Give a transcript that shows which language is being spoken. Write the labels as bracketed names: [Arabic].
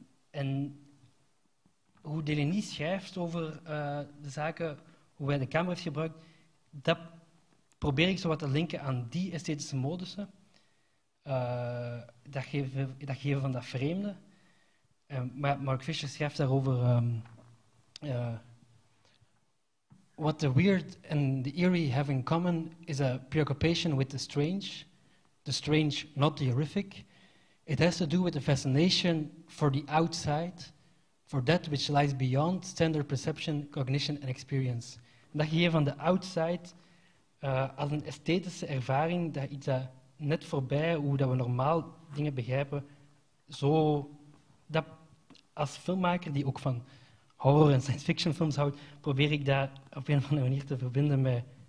[Dutch] En hoe Delaney schrijft over de zaken, hoe hij de camera heeft gebruikt, dat probeer ik zo wat te linken aan die esthetische modussen. Dat geven van dat vreemde. [English] Mark Fisher [Dutch] schrijft daarover [English] what the weird and the eerie have in common is a preoccupation with the strange, not the horrific. It has to do with a fascination for the outside, for that which lies beyond standard perception, cognition and experience. [Dutch] En dat gegeven van de outside als een esthetische ervaring, dat iets dat net voorbij, hoe dat we normaal dingen begrijpen, zo dat als filmmaker die ook van horror en science fiction films houdt, probeer ik dat op een of andere manier te verbinden met